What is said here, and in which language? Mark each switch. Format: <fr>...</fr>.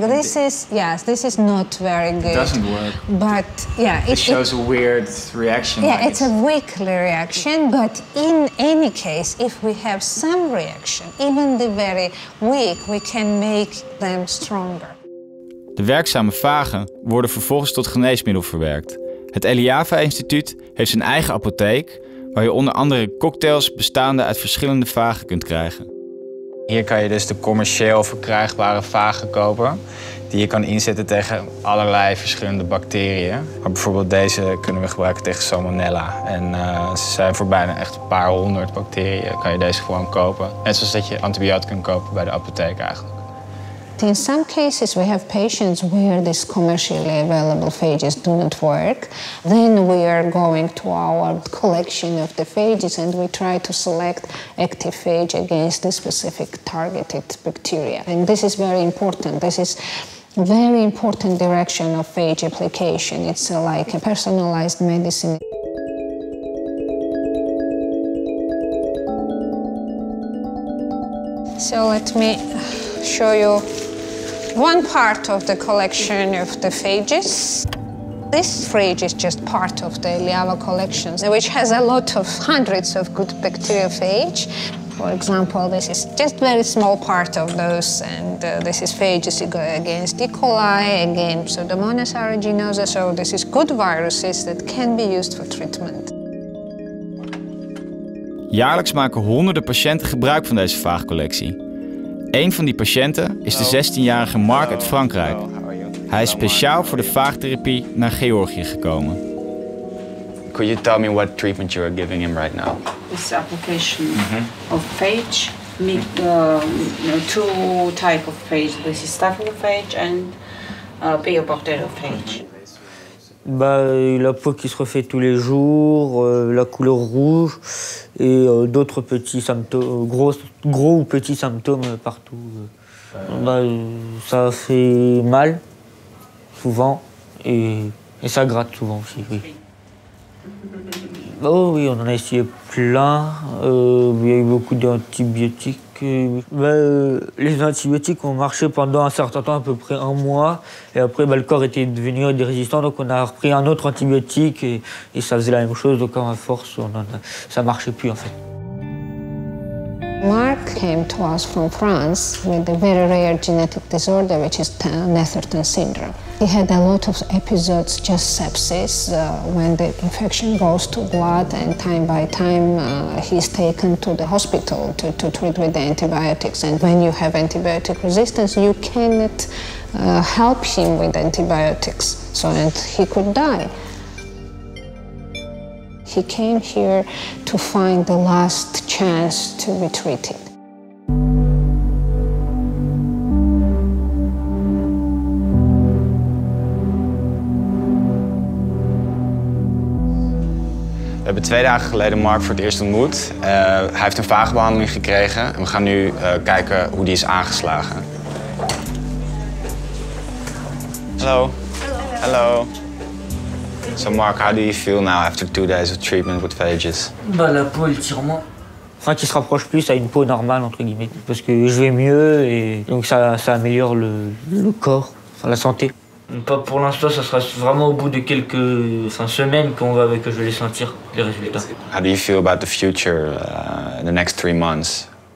<en>This is, yes, this is not very good. It doesn't work. But yeah, it shows a weird reaction. Yeah, it's a weakly reaction, but in any case, if we have some reaction, even the very weak, we can make them stronger.</en> <nl>De werkzame vagen worden vervolgens tot geneesmiddel verwerkt. Het Eliava Instituut heeft zijn eigen apotheek, waar je onder andere cocktails bestaande uit verschillende vagen kunt krijgen. Hier kan je dus de commercieel verkrijgbare vagen kopen, die je kan inzetten tegen allerlei verschillende bacteriën. Maar bijvoorbeeld deze kunnen we gebruiken tegen Salmonella. En ze zijn voor bijna echt een paar honderd bacteriën, kan je deze gewoon kopen. Net zoals dat je antibiotica kunt kopen bij de apotheek eigenlijk.</nl> <en>In some cases, we have patients where these commercially available phages do not work. Then we are going to our collection of the phages and we try to select active phage against the specific targeted bacteria. And this is very important. This is very important direction of phage application. It's like a personalized medicine. So let me show you one part of the collection of the phages. This fridge is just part of the Eliava collections, which has a lot of hundreds of good bacteriophage. For example, this is just very small part of those, and this is phages against E. coli, again Pseudomonas aeruginosa. So this is good viruses that can be used for treatment.</en> <nl>Jaarlijks maken honderden patiënten gebruik van deze vaagcollectie. Een van die patiënten is de 16-jarige Mark uit Frankrijk. Hij is speciaal voor de vaagtherapie naar Georgië gekomen.</nl> <en>Could you tell me what treatment you are giving him right now? This application of phage, meet two type of phage. This is staphylophage and bacteriophage.</en> <fr>Bah, la peau qui se refait tous les jours, la couleur rouge et d'autres petits symptômes, gros ou petits symptômes partout. Bah, ça fait mal, souvent, et ça gratte souvent aussi, oui. Oh oui, on en a essayé plein. Il y a eu beaucoup d'antibiotiques. Les antibiotiques ont marché pendant un certain temps, à peu près un mois. Et après, le corps était devenu résistant, donc on a repris un autre antibiotique et ça faisait la même chose. Donc à force, ça ne marchait plus en fait.</fr> <en>Mark came to us from France with a very rare genetic disorder, which is Netherton syndrome. He had a lot of episodes, just sepsis, when the infection goes to blood, and time by time he's taken to the hospital to treat with the antibiotics. And when you have antibiotic resistance, you cannot help him with antibiotics, so and he could die. He came here to find the last chance to be treated.</en> <nl>We hebben 2 dagen geleden Mark voor het eerst ontmoet. Hij heeft een vaagbehandeling gekregen en we gaan nu kijken hoe die is aangeslagen. Hallo. Hallo.</nl> <en>So Mark, how do you feel now after 2 days of treatment with phages?</en> <fr>La peau elle tire moins. Enfin, qui se rapproche plus à une peau normale entre guillemets, parce que je vais mieux et donc ça améliore le corps, enfin, la santé. Pas pour l'instant, ça sera vraiment au bout de quelques semaines que je vais les sentir les résultats.</fr> <en>How do you feel about the future in the next 3 months?</en>